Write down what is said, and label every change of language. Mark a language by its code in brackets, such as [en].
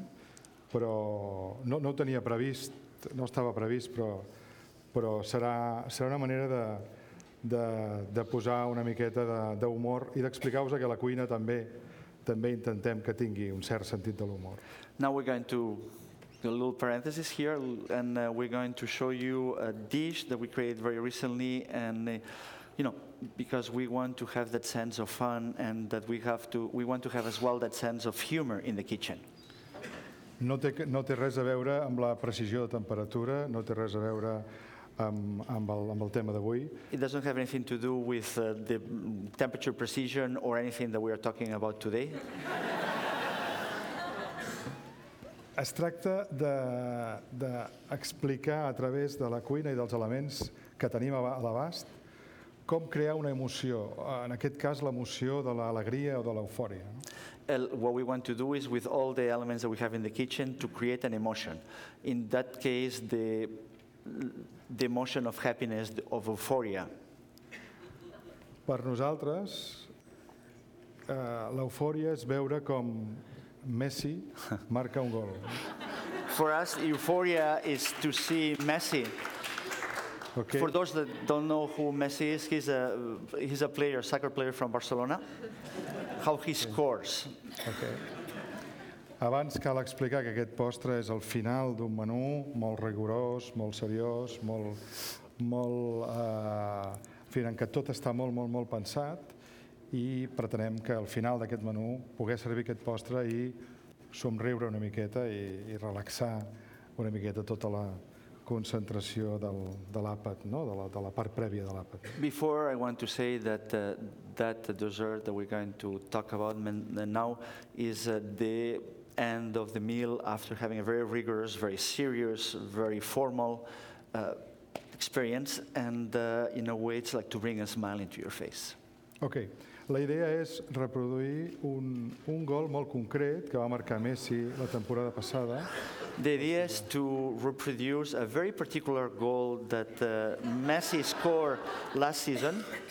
[ca] Però no tenia previst, no estava previst, però serà una manera de posar una miqueta d'humor i d'explicar-vos que la cuina també intentem que tingui un cert sentit de l'humor. [en] Now we're going to do a little parenthesis here and we're going to show you a dish that we created very recently and you know, because we want to have that sense of fun and that we want to have as well that sense of humor in the kitchen. [ca] No té res a veure amb la precisió de temperatura, no té res a veure amb el tema d'avui. [en] It doesn't have anything to do with the temperature precision or anything that we are talking about today. [ca] Es tracta de explicar a través de la cuina I dels elements que tenim a l'abast com crear una emoció, en aquest cas l'emoció de l'alegria o de l'eufòria. [en] What we want to do is with all the elements that we have in the kitchen to create an emotion. In that case, the emotion of happiness, of euphoria. [ca] Per nosaltres, l'eufòria és veure com Messi marca un gol. [en] For us, euphoria is to see Messi. Okay. For those that don't know who Messi is, he's a player, soccer player from Barcelona. How he scores. Okay. [ca] Abans cal explicar que aquest postre és el final d'un menú molt rigorós, molt seriós, en què tot està molt, molt, molt pensat I pretenem que al final d'aquest menú pugui servir aquest postre I somriure una miqueta I relaxar una miqueta tota la concentració de l'àpat, no? De la part prèvia de l'àpat. [en] Before I want to say that that dessert that we're going to talk about now is the end of the meal after having a very rigorous, very serious, very formal experience and in a way it's like to bring a smile into your face. Okay. [ca] La idea és reproduir un gol molt concret que va marcar Messi la temporada passada. [en] The idea is to reproduce a very particular goal that Messi scored last season.